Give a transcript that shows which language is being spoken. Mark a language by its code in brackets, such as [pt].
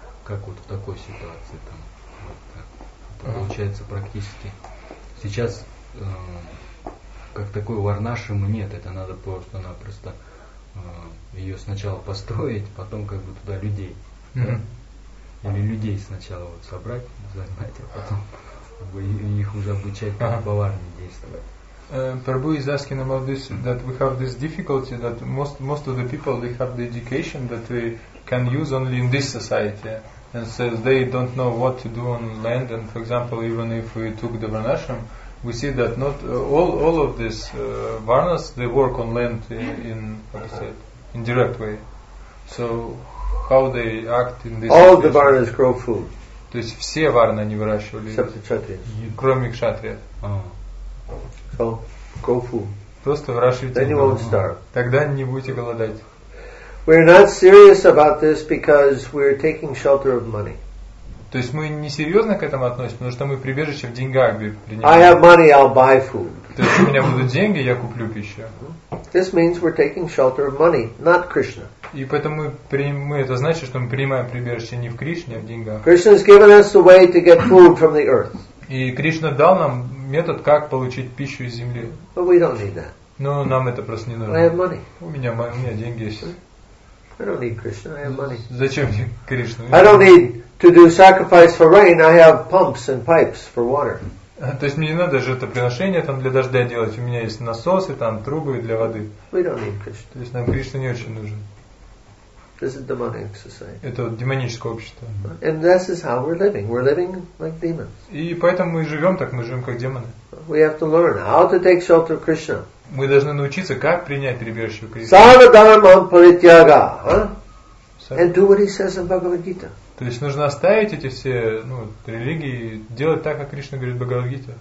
[ru] Как вот в такой ситуации там это получается практически сейчас как такой варнашимы нет, это надо просто-напросто ее сначала построить, потом как бы туда людей да? или людей сначала вот собрать, занять, а потом как бы, их уже обучать как поварни действовать. [en] Prabhu is asking about this, that we have this difficulty that most of the people, they have the education that we can use only in this society. And says they don't know what to do on land. And for example, even if we took the varnashram, we see that not all of these varnas, they work on land in direct way. So how they act in this? All situation? The varnas grow food. [ru] То есть все варны они выращивали. [en] Except the kshatriyas. [ru] Кроме кшатрия. Oh. [en] So grow food. [ru] Просто выращивайте. [en] Then you won't starve. [ru] Тогда не будете голодать. [en] We're not serious about this because we're taking shelter of money. [ru] То есть мы не серьезно к этому относимся, потому что мы прибежище в деньгах принимаем. [en] I have money, I'll buy food. [ru] То есть у меня будут деньги, я куплю пищу. [en] This means we're taking shelter of money, not Krishna. [ru] И поэтому мы это значит, что мы принимаем прибежище не в Кришне, а в деньгах. [en] Krishna has given us the way to get food from the earth. [ru] И Кришна дал нам метод, как получить пищу из земли. [en] But we don't need that. [ru] Но нам это просто не нужно. [en] I have money. [ru] У меня деньги есть. [en] I don't need Krishna, I have money. [ru] Зачем мне Кришна? [en] I don't need to do sacrifice for rain, I have pumps and pipes for water. [ru] То есть мне не надо жертвоприношение там для дождя делать, у меня есть насосы там, трубы для воды. [en] We don't need Krishna. [ru] То есть нам Кришна не очень нужен. [en] This is demonic society. [ru] Это вот демоническое общество. [en] And this is how we're living. We're living like demons. [ru] И поэтому мы живем так, мы живем как демоны. [en] We have to learn how to take shelter of Krishna. [ru] Мы должны научиться, как принять прибежище у Кришны. [sa] Сарва дхармам паритьяга. [en] And do what he says in Bhagavad Gita. [ru] То есть нужно оставить эти все ну, религии и делать так, как Кришна говорит в Бхагавад Гите.